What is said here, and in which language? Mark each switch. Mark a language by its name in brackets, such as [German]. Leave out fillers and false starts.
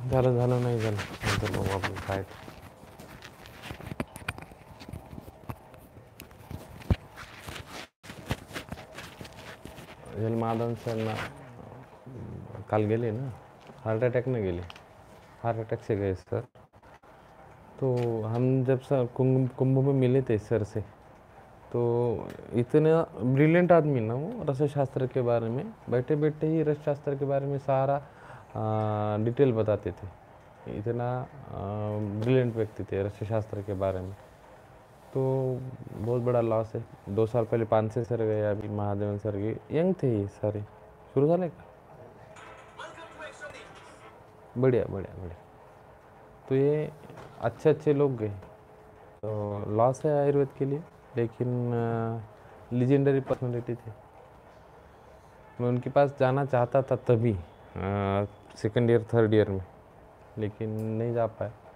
[Marathi] झालं झालं नाही झालं नंतर बघू आपण काय. जन्मादन सर ना काल गेले ना, हार्ट अटॅकनं गेले. [Hindi] हार्ट अटॅक से गए सर. तो हम जब सर कुंभ में मिले थे सर से, तो इतने ब्रिलियंट आदमी ना वो, रसशास्त्र के बारे में बैठे बैठे ही रसशास्त्र के बारे में सारा डिटेल बताते थे. इतना ब्रिलियंट व्यक्ति थे रसशास्त्र के बारे में. तो बहुत बड़ा लॉस है. 2 साल पहले पानसे सर गए, अभी महादेवन सर गए. यंग थे ये सारे, [Marathi] शुरू झाले का. [Hindi] बढ़िया बढ़िया बढ़िया. तो ये अच्छे अच्छे लोग गए, तो लॉस है आयुर्वेद के लिए. लेकिन लीजेंडरी पर्सनैलिटी थे. मैं उनके पास जाना चाहता था तभी, सेकंड ईयर थर्ड ईयर में, लेकिन नहीं जा पाए.